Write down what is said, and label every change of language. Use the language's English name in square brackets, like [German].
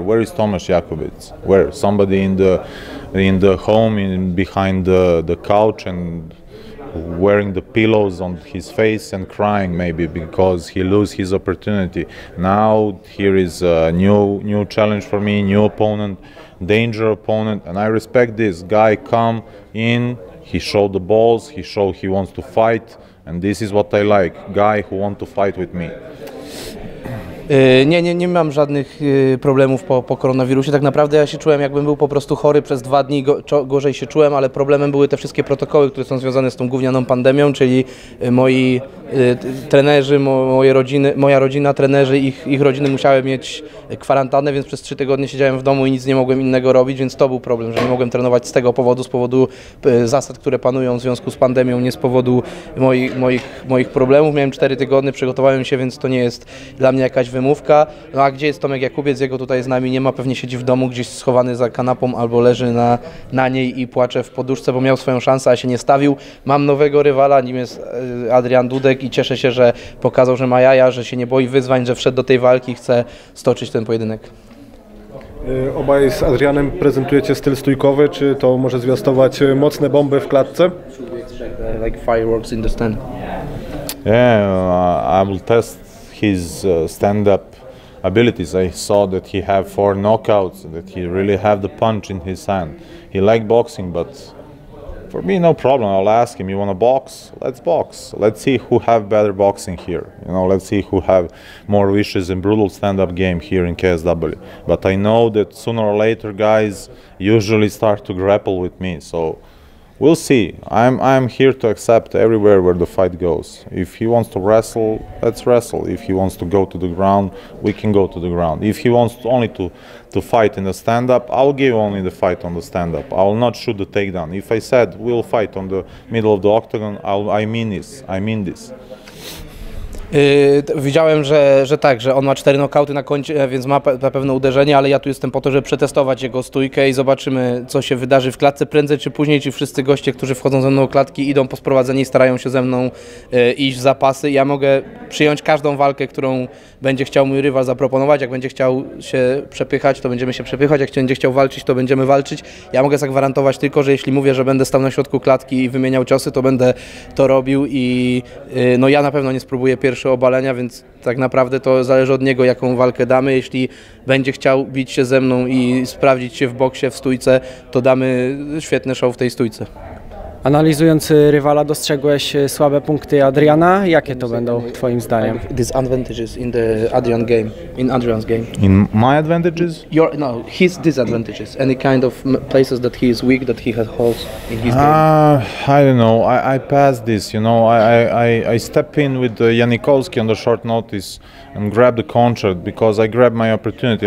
[English] Where is Tomasz Jakubiec? Where? Somebody in the home, in behind the couch and wearing the pillows on his face and crying maybe because he lose his opportunity. Now here is a new challenge for me, new opponent. Danger opponent, and I respect this guy. Come in, he showed the balls, he showed he wants to fight, and this is what I like, guy who want to fight with me. [Polish] Nie mam żadnych problemów po koronawirusie. Tak naprawdę ja się czułem, jakbym był po prostu chory przez 2 dni, gorzej się czułem, ale problemem były te wszystkie protokoły, które są związane z tą gównianą pandemią, czyli moi trenerzy, moja rodzina, trenerzy, ich rodziny musiały mieć kwarantannę, więc przez 3 tygodnie siedziałem w domu i nic nie mogłem innego robić, więc to był problem, że nie mogłem trenować z tego powodu, z powodu zasad, które panują w związku z pandemią, nie z powodu moich problemów. Miałem 4 tygodnie, przygotowałem się, więc to nie jest dla mnie jakaś wymówka. No a gdzie jest Tomek Jakubiec? Jego tutaj z nami nie ma, pewnie siedzi w domu gdzieś schowany za kanapą albo leży na niej i płacze w poduszce, bo miał swoją szansę, a się nie stawił. Mam nowego rywala, nim jest Adrian Dudek i cieszę się, że pokazał, że ma jaja, że się nie boi wyzwań, że wszedł do tej walki i chce stoczyć ten pojedynek. Obaj z Adrianem prezentujecie styl stójkowy, czy to może zwiastować mocne bomby w klatce? [English] Like fireworks in the stand. Yeah, I will test his stand-up abilities. I saw that he have 4 knockouts, that he really have the punch in his hand. He like boxing, but for me no problem. I'll ask him, you want to box? Let's box. Let's see who have better boxing here. You know, let's see who have more vicious and brutal stand-up game here in KSW. But I know that sooner or later guys usually start to grapple with me. So We'll see. I'm here to accept everywhere where the fight goes. If he wants to wrestle, let's wrestle. If he wants to go to the ground, we can go to the ground. If he wants only to fight in the stand-up, I'll give only the fight on the stand-up. I'll not shoot the takedown. If I said we'll fight on the middle of the octagon, I mean this. [Polish] Widziałem, że tak, że on ma 4 nokauty na koncie, więc ma na pewno uderzenie, ale ja tu jestem po to, żeby przetestować jego stójkę i zobaczymy, co się wydarzy w klatce. Prędzej czy później ci wszyscy goście, którzy wchodzą ze mną do klatki, idą po sprowadzenie i starają się ze mną iść w zapasy. Ja mogę przyjąć każdą walkę, którą będzie chciał mój rywal zaproponować. Jak będzie chciał się przepychać, to będziemy się przepychać. Jak będzie chciał walczyć, to będziemy walczyć. Ja mogę zagwarantować tylko, że jeśli mówię, że będę stał na środku klatki i wymieniał ciosy, to będę to robił i no ja na pewno nie spróbuję pierwszy obalenia, więc tak naprawdę to zależy od niego, jaką walkę damy. Jeśli będzie chciał bić się ze mną i sprawdzić się w boksie, w stójce, to damy świetny show w tej stójce. Analizując rywala, dostrzegłeś słabe punkty Adriana. Jakie to będą twoim zdaniem? [English] Disadvantages in the Adrian game, in Adrian's game. In my advantages? His disadvantages. Any kind of places that he is weak, that he has holes in his game. I don't know. I passed this. You know, I step in with Janikowski on the short notice and grab the contract because I grab my opportunity.